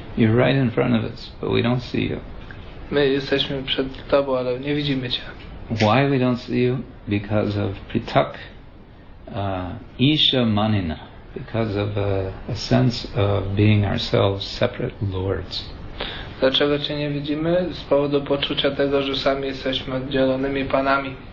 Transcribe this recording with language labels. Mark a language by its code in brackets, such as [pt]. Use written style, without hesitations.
[en] You're right in front of us, but we don't see you. [pl] My jesteśmy przed tobą, ale nie widzimy cię. [en] Why we don't see you? Because of pritak isha manina, because of a sense of being ourselves separate lords. [pl] Dlaczego cię nie widzimy? Z powodu poczucia tego, że sami jesteśmy oddzielonymi panami.